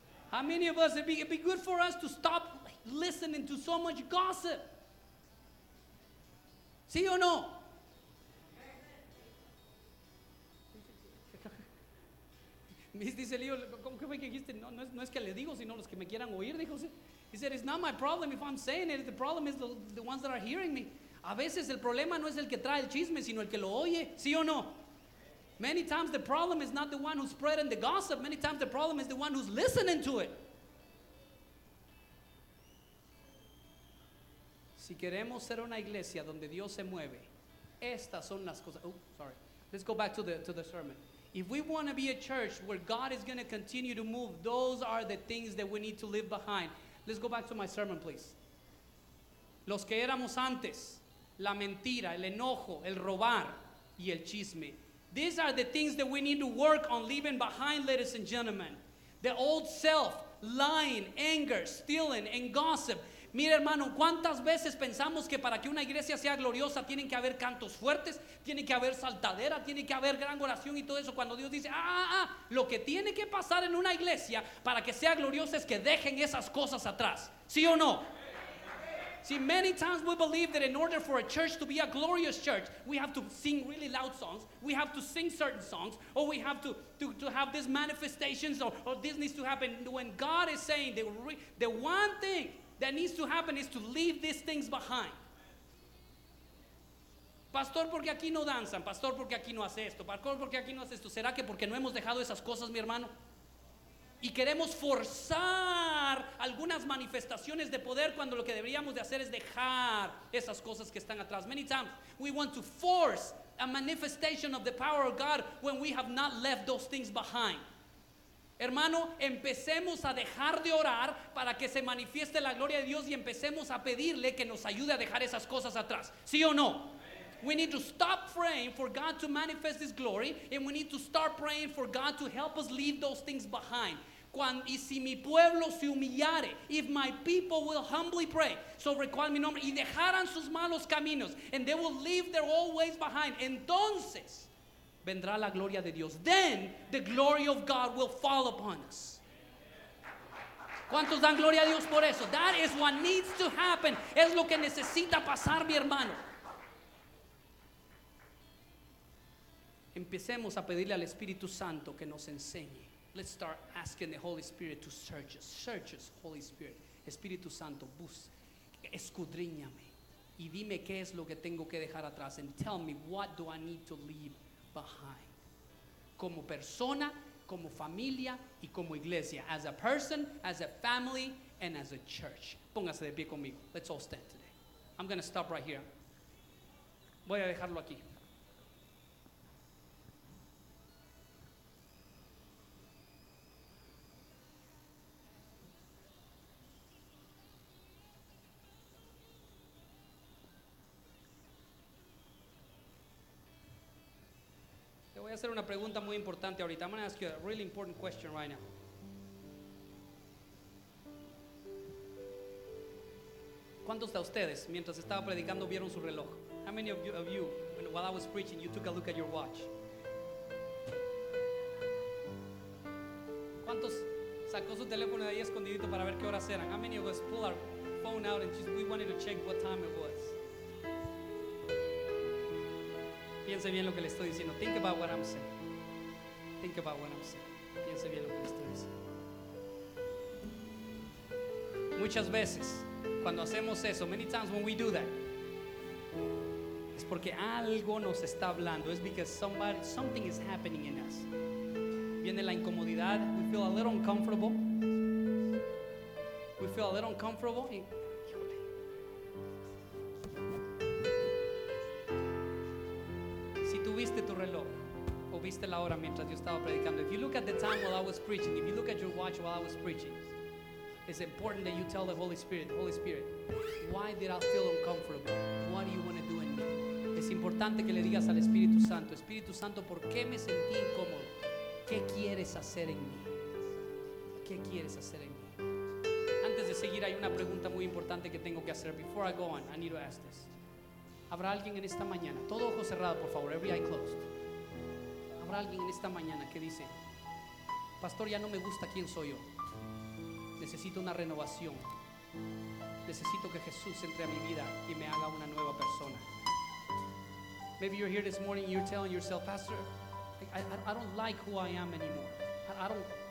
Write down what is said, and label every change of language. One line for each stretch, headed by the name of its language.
English: How many of us, it'd be good for us to stop listening to so much gossip.
Spanish: ¿Sí o no? Miss dice Leo, ¿cómo que fue que dijiste? No es que le digo, sino los que me quieran oír.
English: Dijo, he said, it's not my problem if I'm saying it. The problem is the ones that are hearing me.
Spanish: A veces el problema no es el que trae el chisme, sino el que lo oye. ¿Sí o no?
English: Many times the problem is not the one who's spreading the gossip. Many times the problem is the one who's listening to it.
Spanish: Si queremos ser una iglesia donde Dios se mueve, estas son las cosas.
English: Oh, sorry. Let's go back to the sermon. If we want to be a church where God is going to continue to move, those are the things that we need to leave behind. Let's go back to my sermon, please.
Spanish: Los que éramos antes, la mentira, el enojo, el robar y el chisme.
English: These are the things that we need to work on leaving behind, ladies and gentlemen. The old self, lying, anger, stealing, and gossip.
Spanish: Mira, hermano, ¿cuántas veces pensamos que para que una iglesia sea gloriosa tienen que haber cantos fuertes, tiene que haber saltadera, tiene que haber gran oración y todo eso? Cuando Dios dice, lo que tiene que pasar en una iglesia para que sea gloriosa es que dejen esas cosas atrás. ¿Sí o no?
English: See, many times we believe that in order for a church to be a glorious church, we have to sing really loud songs, we have to sing certain songs, or we have to have these manifestations, or this needs to happen. When God is saying the one thing that needs to happen is to leave these things behind.
Spanish: Pastor, porque aquí no danzan. Pastor, porque aquí no hace esto. Pastor, porque aquí no hace esto. ¿Será que porque no hemos dejado esas cosas, mi hermano? Y queremos forzar algunas manifestaciones de poder cuando lo que deberíamos de hacer es dejar esas cosas que están atrás.
English: Many times we want to force a manifestation of the power of God when we have not left those things behind.
Spanish: Hermano, empecemos a dejar de orar para que se manifieste la gloria de Dios y empecemos a pedirle que nos ayude a dejar esas cosas atrás. ¿Sí o no?
English: We need to stop praying for God to manifest His glory, and we need to start praying for God to help us leave those things behind.
Spanish: Cuando, y si mi pueblo se humillare,
English: if my people will humbly pray,
Spanish: sobre cual mi nombre, y dejaran sus malos caminos,
English: and they will leave their old ways behind,
Spanish: entonces vendrá la gloria de Dios.
English: Then the glory of God will fall upon us.
Spanish: ¿Cuántos dan gloria a Dios por eso?
English: That is what needs to happen.
Spanish: Es lo que necesita pasar, mi hermano. Empecemos a pedirle al Espíritu Santo que nos enseñe.
English: Let's start asking the Holy Spirit to search us. Search us, Holy Spirit.
Spanish: Espíritu Santo, escudriñame. Y dime qué es lo que tengo que dejar atrás.
English: And tell me, what do I need to leave behind?
Spanish: Como persona, como familia y como iglesia.
English: As a person, as a family, and as a church.
Spanish: Póngase de pie conmigo.
English: Let's all stand today. I'm going to stop right here.
Spanish: Voy a dejarlo aquí. Voy a hacer una pregunta muy importante ahorita.
English: I'm going to ask you a really important question right now.
Spanish: ¿Cuántos de ustedes, mientras estaba predicando, vieron su reloj?
English: How many of you, while I was preaching, you took a look at your watch?
Spanish: ¿Cuántos sacó su teléfono de ahí escondidito para ver qué horas eran?
English: How many of us pulled our phone out and we wanted to check what time it was?
Spanish: Piense bien lo que le estoy diciendo.
English: Think about what I'm saying. Think about what I'm saying.
Spanish: Piense bien lo que le estoy diciendo. Muchas veces, cuando hacemos eso,
English: many times when we do that,
Spanish: es porque algo nos está hablando.
English: It's because something is happening in us.
Spanish: Viene la incomodidad.
English: We feel a little uncomfortable. We feel a little uncomfortable.
Spanish: Si tuviste tu reloj o viste la hora mientras yo estaba predicando,
English: if you look at the time while I was preaching, if you look at your watch while I was preaching, it's important that you tell the Holy Spirit, Holy Spirit, why did I feel uncomfortable? What do you want to do in me?
Spanish: Es importante que le digas al Espíritu Santo, Espíritu Santo, ¿por qué me sentí incómodo? ¿Qué quieres hacer en mí? ¿Qué quieres hacer en mí? Antes de seguir, hay una pregunta muy importante que tengo que hacer.
English: Before I go on, I need to ask this.
Spanish: ¿Habrá alguien en esta mañana? Todo ojo cerrado, por favor.
English: Every eye closed.
Spanish: ¿Habrá alguien en esta mañana que dice, pastor, ya no me gusta quién soy yo? Necesito una renovación. Necesito que Jesús entre a mi vida y me haga una nueva persona.
English: Maybe you're here this morning and you're telling yourself, pastor, I don't like who I am anymore.